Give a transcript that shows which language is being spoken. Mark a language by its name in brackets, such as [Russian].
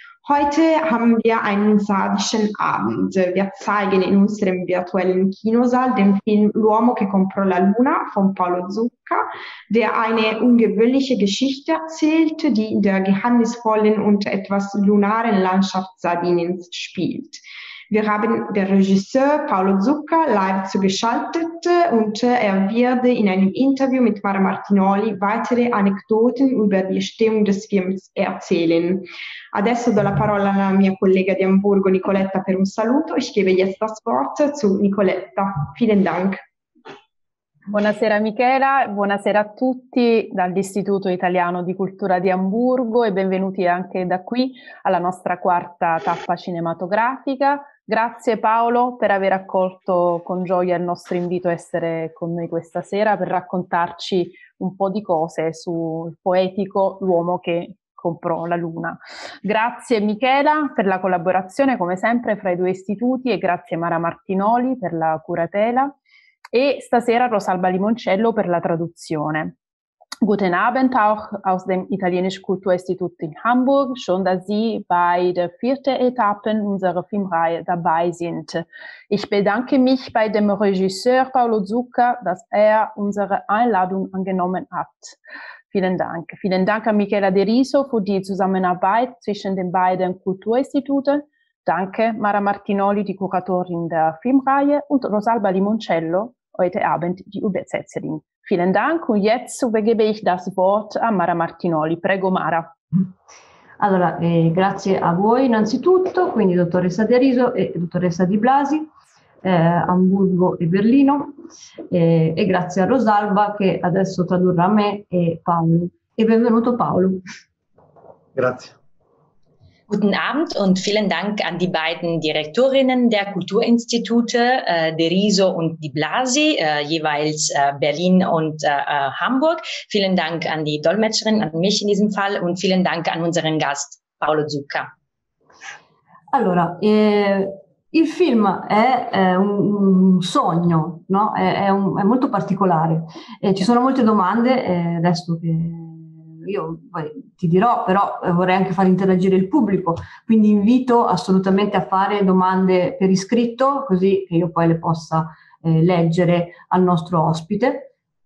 [German] Heute haben wir einen sardischen Abend. Wir zeigen in unserem virtuellen Kinosaal den Film L'uomo che comprò la luna von Paolo Zucca, der eine ungewöhnliche Geschichte erzählt, die in der geheimnisvollen und etwas lunaren Landschaft Sardiniens spielt. Wir haben den Regisseur Paolo Zucca live zugeschaltet und er wird in einem Interview mit Mara Martinoli weitere Anekdoten über die Entstehung des Films erzählen. [Italian] Adesso do la parola alla mia collega di Amburgo, Nicoletta, per un saluto. [German] Ich gebe jetzt das Wort zu Nicoletta. Vielen Dank. [Italian] Buonasera Michela, buonasera a tutti dall'Istituto Italiano di Cultura di Amburgo e benvenuti anche da qui alla nostra quarta tappa cinematografica. Grazie Paolo per aver accolto con gioia il nostro invito a essere con noi questa sera per raccontarci un po' di cose sul poetico L'uomo che comprò la luna. Grazie Michela per la collaborazione, come sempre, fra i due istituti e grazie Mara Martinoli per la curatela. E stasera Rosalba Limoncello per la traduzione. [German] Guten Abend auch aus dem Italienischen Kulturinstitut in Hamburg. Schön, dass Sie bei der vierten Etappe unserer Filmreihe dabei sind. Ich bedanke mich bei dem Regisseur Paolo Zucca, dass er unsere Einladung angenommen hat. Vielen Dank. Vielen Dank an Michela De Riso für die Zusammenarbeit zwischen den beiden Kulturinstituten. Danke Mara Martinoli, die Kuratorin der Filmreihe, und Rosalba Limoncello. Heute Abend die Übersetzerin. Vielen Dank und jetzt übergebe ich das Wort an Mara Martinoli. [Italian] Prego Mara. Allora, grazie a voi innanzitutto, quindi dottoressa De Riso e dottoressa Di Blasi, Amburgo e Berlino, e grazie a Rosalba che adesso tradurrà me e Paolo. E benvenuto Paolo. Grazie. [German] Guten Abend und vielen Dank an die beiden Direktorinnen der Kulturinstitute, De Riso und Di Blasi, jeweils Berlin und Hamburg. Vielen Dank an die Dolmetscherin, an mich in diesem Fall und vielen Dank an unseren Gast Paolo Zucca. [Italian] Allora, il film è un sogno, no? È molto particolare. Ci sono molte domande, adesso che io poi ti dirò, però vorrei anche far interagire il pubblico, quindi invito assolutamente a fare domande per iscritto, così che io poi le possa leggere al nostro ospite.